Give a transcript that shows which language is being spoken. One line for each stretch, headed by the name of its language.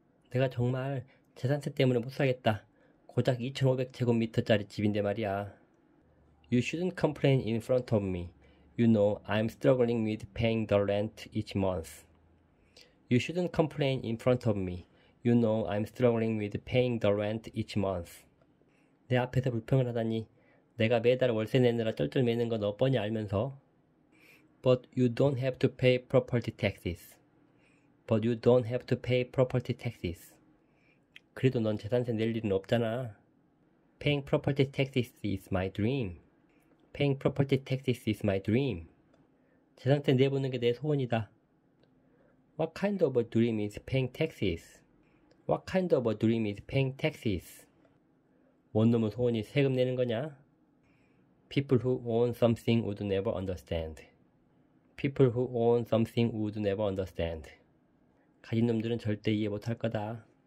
Korean: 내가 정말 재산세 때문에 못 살겠다. 고작 2,500제곱미터짜리 집인데 말이야.
English: You shouldn't complain in front of me. You know I'm struggling with paying the rent each month. You shouldn't complain in front of me. You know I'm struggling with paying the rent each month.
Korean: 내 앞에서 불평을 하다니. 내가 매달 월세 내느라 쩔쩔매는 거 너 뻔히 알면서.
English: But you don't have to pay property taxes. But you don't have to pay property taxes.
Korean: 그래도 넌 재산세 낼 일은 없잖아.
English: Paying property taxes is my dream. Paying property taxes is my dream.
Korean: 재산세 내보는 게 내 소원이다.
English: What kind of a dream is paying taxes? What kind of a dream is paying taxes?
Korean: 뭔 놈의 소원이 세금 내는 거냐?
English: People who own something would never understand. People who own something would never understand.
Korean: 가진 놈들은 절대 이해 못할 거다.